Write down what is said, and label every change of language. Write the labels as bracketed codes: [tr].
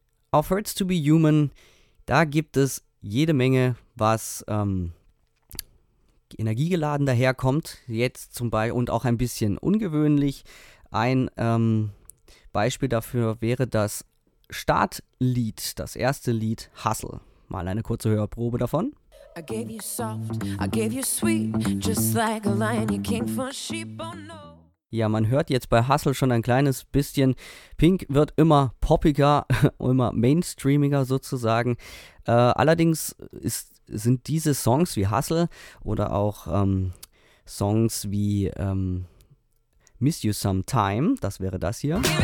[de] Auf Hurts to be Human, da gibt es jede Menge, was energiegeladen daherkommt, jetzt zum Beispiel, und auch ein bisschen ungewöhnlich. Ein Beispiel dafür wäre das Startlied, das erste Lied, Hustle. Mal eine kurze Hörprobe davon. [en] I gave you soft, I gave you sweet, just like a lion, you came for sheep, oh no. [de] Ja, man hört jetzt bei Hustle schon ein kleines bisschen. Pink wird immer poppiger, immer mainstreamiger sozusagen. Allerdings sind diese Songs wie Hustle oder auch Songs wie Miss You Sometime, das wäre das hier.